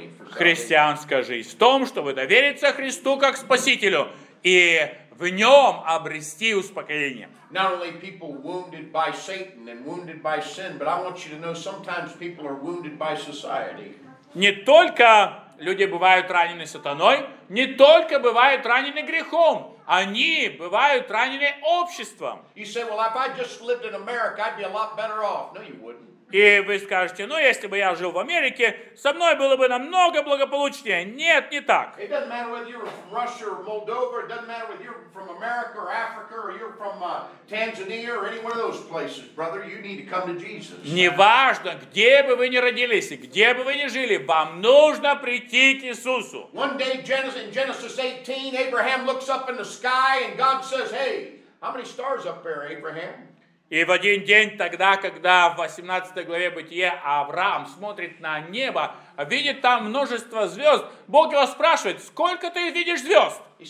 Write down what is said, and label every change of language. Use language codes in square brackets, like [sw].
[ru] Христианская жизнь в том, чтобы довериться Христу как Спасителю и в Нем обрести успокоение. [en] Not only people wounded by Satan and wounded by sin, but I want you to know sometimes people are wounded by society. [ru] Не только люди бывают ранены сатаной, не только бывают ранены грехом, они бывают ранены обществом. [en] You say, well, if I just lived in America, I'd be a lot better off. No, you wouldn't. [ru] И вы скажете, ну, если бы я жил в Америке, со мной было бы намного благополучнее. Нет, не так. [en] It doesn't matter whether you're from Russia or Moldova, it doesn't matter whether you're from America or Africa, or you're from Tanzania or any one of those places, brother, you need to come to Jesus. [ru] Неважно, где бы вы ни родились и где бы вы ни жили, вам нужно прийти к Иисусу. [en] One day in Genesis 18, Abraham looks up in the sky and God says, hey, how many stars up there, Abraham? [ru] И в один день тогда, когда в 18 главе Бытия Авраам смотрит на небо, видит там множество звезд, Бог его спрашивает, сколько ты видишь звезд?